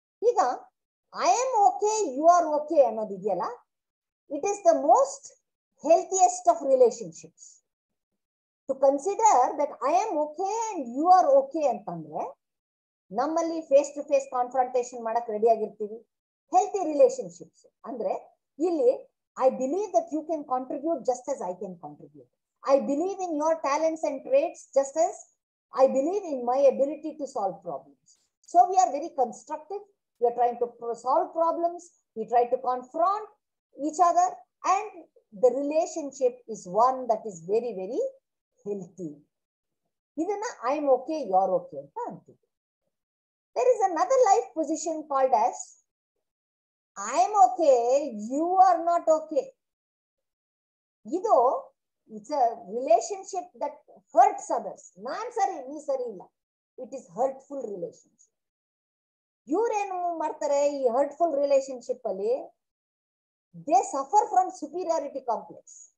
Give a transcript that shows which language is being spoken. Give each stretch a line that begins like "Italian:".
Kannada: ಈಗ
English: I am okay you are okay
Kannada: ಅನ್ನೋದಿದೆಯಲ್ಲ,
English: It is the most healthiest of relationships. To consider that I am okay and you are okay
Kannada: ಅಂತಂದ್ರೆ, ನಮ್ಮಲ್ಲಿ face to face confrontation ಮಾಡಕ್ ready ಆಗಿರ್ತೀವಿ.
English: Healthy relationships.
Kannada: Andre, illi,
English: I believe that you can contribute just as I can contribute. I believe in your talents and traits just as I believe in my ability to solve problems. So we are very constructive. We are trying to solve problems. We try to confront each other. And the relationship is one that is very, very healthy.
Kannada: Idanna,
English: I'm okay, you're okay. There is another life position called as I am okay, you are not okay.
Kannada: ಇದು
English: It's a relationship that hurts others.
Kannada: ನಾನ್ ಸರಿ, ನೀ ಸರಿ ಇಲ್ಲ,
English: It is hurtful relationship.
Kannada: ಇವರೇನು ಮಾಡ್ತಾರೆ ಈ hurtful relationship ಅಲ್ಲಿ,
English: They suffer from superiority complex.